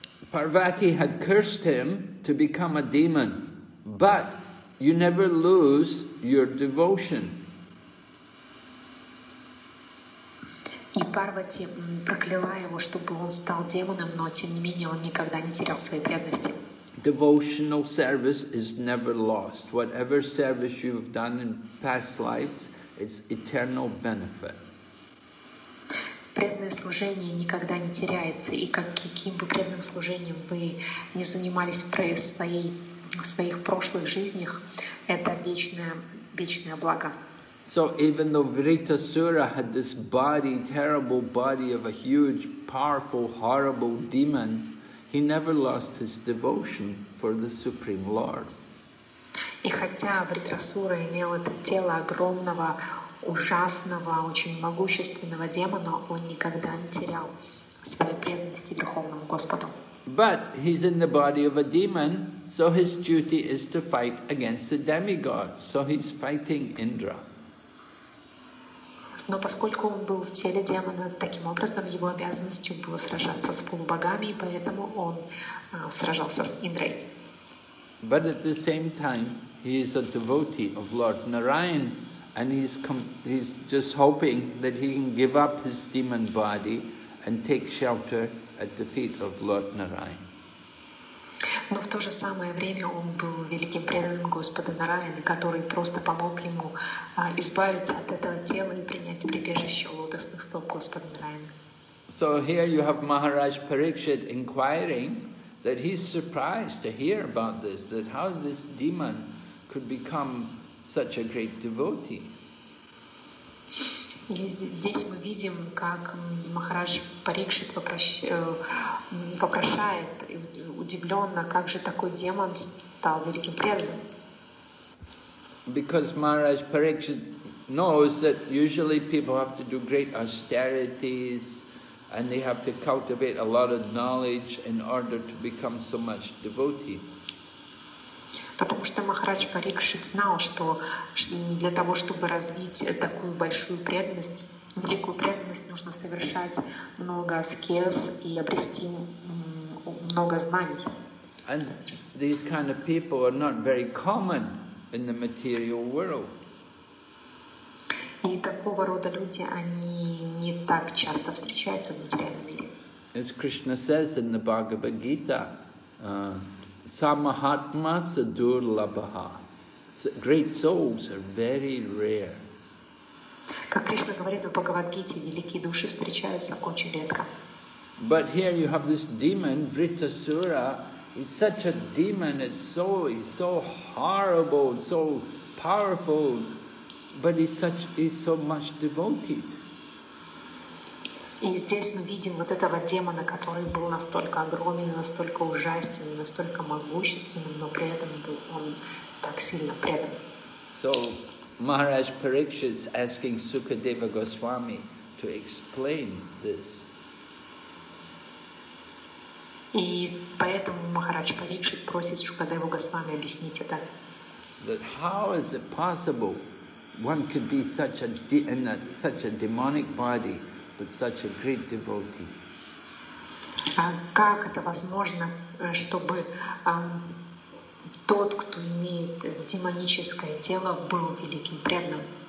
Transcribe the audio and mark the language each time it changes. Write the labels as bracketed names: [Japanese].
[English] Parvati had cursed him to become a demon, but you never lose your devotion. [Russian] И Парвати прокляла его, чтобы он стал демоном, но тем не менее он никогда не терял своей преданности. [English] Devotional service is never lost. Whatever service you've done in past lives, it's eternal benefit. [Russian] Преданное служение никогда не теряется, и каким бы преданным служением вы не занимались в своих прошлых жизнях, это вечное, вечное благо. [English] So even though Vritasura had this body, terrible body of a huge, powerful, horrible demon, he never lost his devotion for the Supreme Lord. [Russian] И хотя Вритасура имел это тело огромного, ужасного, очень могущественного демона, он никогда не терял своей преданности Верховному Господу. [English] But he's in the body of a demon, so his duty is to fight against the demigods. So he's fighting Indra. [Russian] Но поскольку он был в теле демона, таким образом его обязанностью было сражаться с полубогами, и поэтому он сражался с Индрой. [English] But at the same time, he is a devotee of Lord Narayan. And he's just hoping that he can give up his demon body and take shelter at the feet of Lord Narayan. [Russian] Но в то же самое время он был великим преданным Господа Нараян, который просто помог ему избавиться от этого тела и принять прибежище у лотосных стоп Господа Нараяна. [English] So here you have Maharaj Parikshit inquiring that he's surprised to hear about this, that how this demon could become such a great devotee. [Russian] Здесь мы видим, как Махарадж Парикшит вопрошает, удивленно, как же такой демон стал великим преданным. [English] Because Maharaj Parikshit knows that usually people have to do great austerities and they have to cultivate a lot of knowledge in order to become so much devotee. [Russian] Потому что Махарадж Парикшит знал, что для того, чтобы развить такую большую преданность, великую преданность, нужно совершать много аскез и обрести много знаний. [English] And these kind of people are not very common in the material world. [Russian] И такого рода люди, они не так часто встречаются в материальном мире. [English] As Krishna says in the Bhagavad Gita, [Sanskrit] Samahatma Sadur Labaha. [English] Great souls are very rare. [Russian] Как Кришна говорит в Бхагавад-гите, великие души встречаются очень редко. [English] But here you have this demon, Vritasura. He's such a demon, he's so horrible, so powerful, but he's so much devoted. [Russian] И здесь мы видим вот этого демона, который был настолько огромен, настолько ужасен, настолько могущественным, но при этом был он так сильно предан. [English] So Maharaj Parikshit is asking Sukadeva Goswami to explain this. [Russian] И поэтому Махарадж Парикшит просит Шукадеву Госвами объяснить это. [English] That how is it possible one could be such a in such a demonic body? But such a great devotee. [Russian] Как это возможно, чтобы тот, кто имеет демоническое тело, был великим преданным?